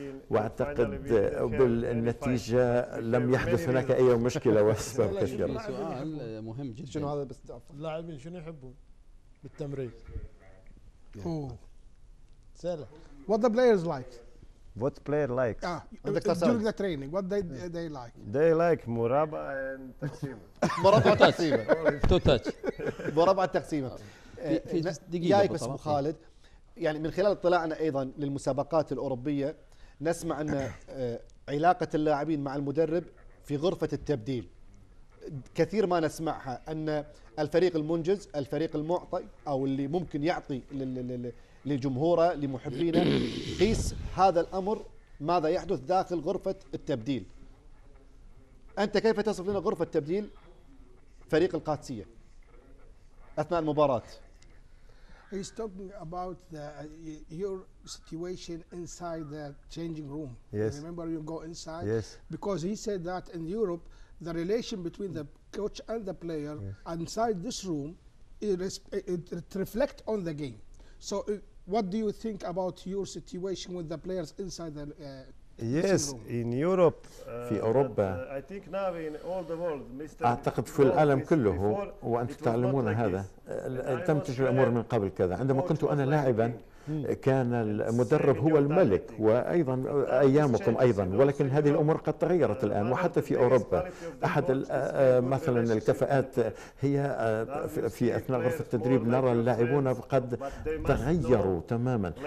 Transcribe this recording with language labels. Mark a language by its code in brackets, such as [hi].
[ar] وأعتقد بالنتيجة لم يحدث هناك أي مشكلة وأسباب كثيرة. سؤال مهم جدا. شنو هذا بس اللاعبين شنو يحبون بالتمرين؟ سهلة. [en] What the players like? What player like? During the training, what they like? They like [ar] مربع تقسيمة. مربع تقسيمة. مربع تقسيمة. في دقيقة. جايك بس أبو خالد. يعني من خلال اطلاعنا ايضا للمسابقات الاوروبيه نسمع ان علاقه اللاعبين مع المدرب في غرفه التبديل كثير ما نسمعها، ان الفريق المنجز الفريق المعطي او اللي ممكن يعطي لجمهوره لمحبينه، قيس هذا الامر ماذا يحدث داخل غرفه التبديل. انت كيف تصف لنا غرفه التبديل فريق القادسيه اثناء المباراه؟ [en] He's talking about the your situation inside the changing room. Yes. Remember, you go inside. Yes. Because he said that in Europe, the relation between the coach and the player inside this room, it reflect on the game. So, what do you think about your situation with the players inside the? Yes, in Europe. [ar] في أوروبا. [en] I think now in all the world, Mr. [ar] أعتقد في العالم كله وأنت تعلمون هذا. تم تجري الأمور من قبل كذا. عندما كنت أنا لاعبا كان المدرب هو الملك وأيضا أيامكم أيضا. ولكن هذه الأمور قد تغيرت الآن وحتى في أوروبا. أحد مثلا الكفاءات هي في أثناء غرفة التدريب نرى اللاعبون قد تغيروا تماما.